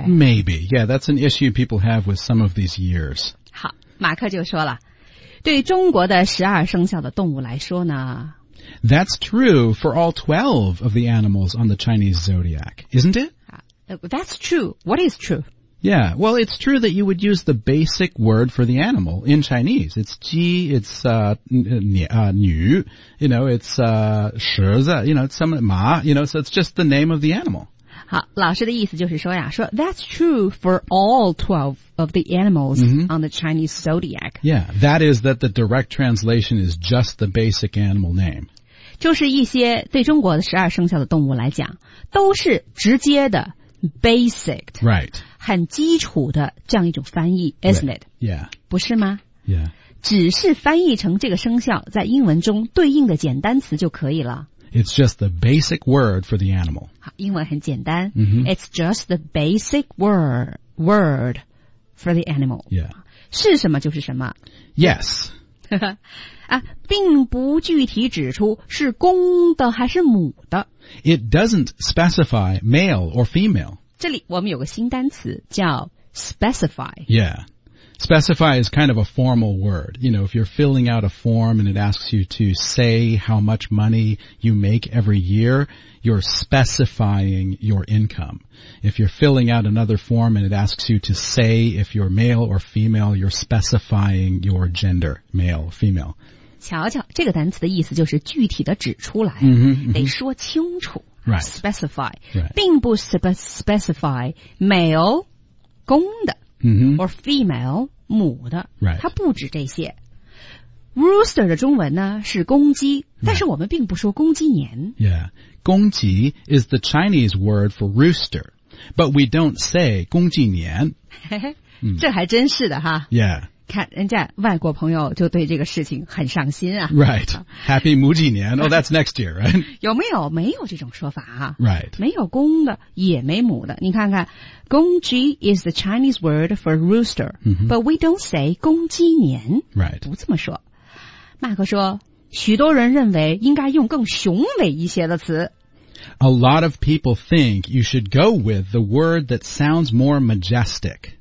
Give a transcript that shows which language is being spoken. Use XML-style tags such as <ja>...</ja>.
<en>maybe yeah that's an issue people have with some of these years</en> <zh>好马克就说了对中国的十二生肖的动物来说呢</zh> <en>That's true for all 12 of the animals on the Chinese zodiac, isn't it? That's true. What is true? Yeah, well, it's true that you would use the basic word for the animal in Chinese. It's ji, it's nü, you know, it's shizi, you know, it's some ma, you know, so it's just the name of the animal.</en> <zh>好，老师的意思就是说呀，说</zh> <en>that's true for all 12 of the animals on the Chinese zodiac. Yeah, that is that the direct translation is just the basic animal name.</en> <zh>就是一些对中国的十二生肖的动物来讲，都是直接的 basic.</zh> <en>Right.</en> <zh>很基础的这样一种翻译</zh> <en>isn't it? Yeah.</en> <zh>不是吗?</zh> <en>Yeah.</en> <zh>只是翻译成这个生肖在英文中对应的简单词就可以了。</zh> <en>It's just the basic word for the animal.</en> <zh>好，英文很简单。 Mm-hmm.</zh> <en>It's just the basic word for the animal. Yeah.</en> <zh>是什么就是什么。</zh> <en>Yes.</en> <zh>啊，并不具体指出是公的还是母的。</zh> <en>It doesn't specify male or female.</en> <zh>这里我们有个新单词叫 specify.</zh> <en>Yeah. Specify is kind of a formal word. You know, if you're filling out a form and it asks you to say how much money you make every year, you're specifying your income. If you're filling out another form and it asks you to say if you're male or female, you're specifying your gender, male, female.</en> <zh>瞧瞧，这个单词的意思就是具体的指出来，得说清楚。</zh> <en>Right. Specify. Right.</en> <zh>并不</zh> <en>specify male,</en> <zh>公的、 mm-hmm.</zh> <en>or female,</en> <zh>母的、</zh> <en>right.</en> <zh>它不止这些。Rooster 的中文呢是公鸡、</zh> <en>right.</en> <zh>但是我们并不说公鸡年。</zh> <en>Yeah. 公鸡 is the Chinese word for rooster, but we don't say</en> <zh>公鸡年。这还真是的哈。</zh> <en>Yeah.</en> <zh>看人家外国朋友就对这个事情很上心啊。</zh> <en>Right. Happy</en> <zh>母鸡年。</zh> <en>Oh, that's next year, right?</en> <zh>有没有没有这种说法啊。</zh> <en>Right.</en> <zh>没有公的也没母的。你看看公鸡</zh> <en>is the Chinese word for rooster,、 mm-hmm. but we don't say</en> <zh>公鸡年。</zh> <en>Right.</en> <zh>不这么说。马克说许多人认为应该用更雄伟一些的词。</zh> <en>A lot of people think you should go with the word that sounds more majestic.</en>